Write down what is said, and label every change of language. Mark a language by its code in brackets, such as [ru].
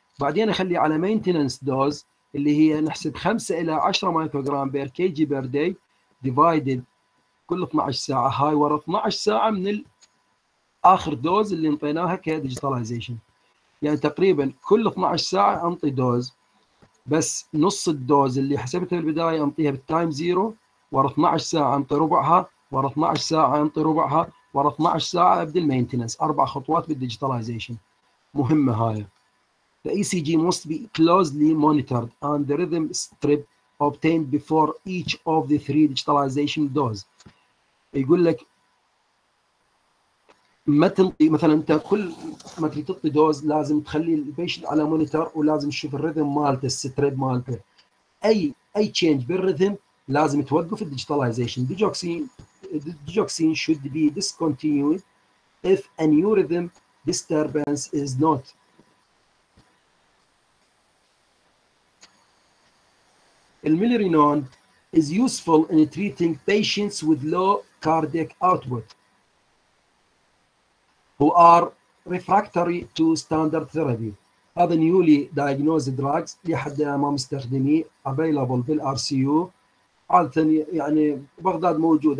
[ar] بعدين أخلي على maintenance dose اللي هي نحسب 5 الى 10 مايكروغرام [en] بير كي جي بير داي ديفايدد [ar] كل 12 ساعه، هاي ورا 12 ساعه من اخر دوز اللي انطيناها كديجيتاليزيشن، يعني تقريبا كل 12 ساعه انطي دوز. بس نص الدوز اللي حسبتها البداية أنطيها بالتايم زيرو، ورا 12 ساعة أنطي ربعها، ورا 12 ساعة أنطي ربعها، ورا 12 ساعة أبدأ المينتنس. أربع خطوات بالديجيتاليزيشن مهمة هاي. [en] The ECG must be closely monitored and the rhythm strip obtained before each of the three digitalization doses. [ar] يقول لك ما تنطي مثلا انت كل ما تريد تطي دوز لازم تخلي البيشنت على مونيتور، ولازم تشوف الريذم مالته الستريب مالته. اي تشينج بالريذم لازم توقف الديجيتاليزيشن. [en] Digoxin should be discontinued if a new rhythm disturbance is not. الميلرينون is useful in treating patients with low cardiac output who are refractory to standard therapy. [ar] هذا [en] newly diagnosed drugs [ar] لحد ما مستخدمي available بالRCU عادة يعني بغداد موجود.